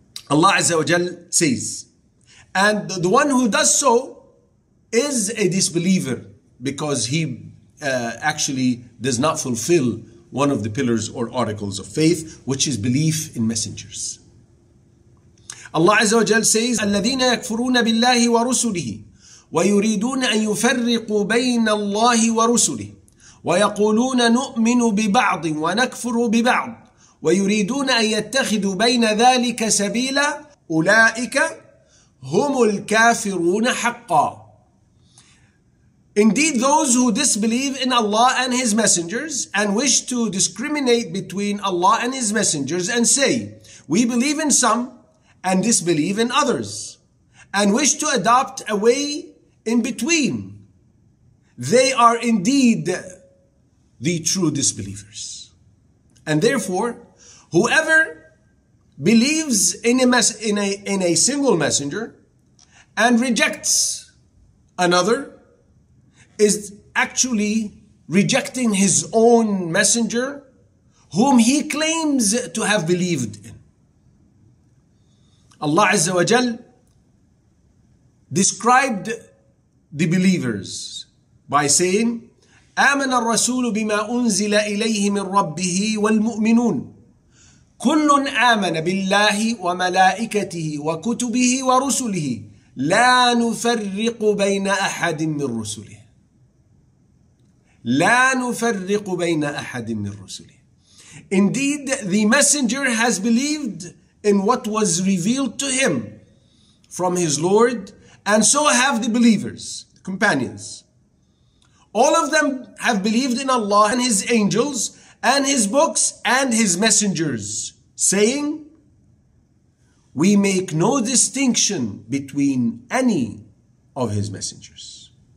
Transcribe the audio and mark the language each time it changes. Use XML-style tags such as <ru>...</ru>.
<en>Allah Azza wa Jal says, and the one who does so is a disbeliever, because he actually does not fulfill one of the pillars or articles of faith, which is belief in messengers.</en> <ar>Allah Azza wa Jal says, الَّذِينَ يَكْفُرُونَ بِاللَّهِ وَرُسُلِهِ وَيُرِيدُونَ أَن يُفَرِّقُوا بَيْنَ اللَّهِ وَرُسُلِهِ وَيَقُولُونَ نُؤْمِنُ بِبَعْضٍ وَنَكْفُرُ بِبَعْضٍ وَيُرِيدُونَ أَن يَتَّخِذُوا بَيْنَ ذَلِكَ سَبِيلًا أُولَئِكَ هُمُ الْكَافِرُونَ حَقًّا.</ar> <en>Indeed, those who disbelieve in Allah and His messengers and wish to discriminate between Allah and His messengers and say, we believe in some and disbelieve in others, and wish to adopt a way in between, they are indeed the true disbelievers. And therefore, whoever believes in a single messenger and rejects another is actually rejecting his own messenger whom he claims to have believed in. Allah Azza wa Jal described the believers by saying,</en> <ar>آمن الرسول بما أنزل إليه من ربه والمؤمنون كل آمن بالله وملائكته وكتبه ورسله لا نفرق بين أحد من رسله. لا نفرق بين أحد من رسله.</ar> <en>Indeed, the messenger has believed in what was revealed to him from his Lord, and so have the believers, companions. All of them have believed in Allah and His angels and His books and His messengers, saying, we make no distinction between any of His messengers.</en>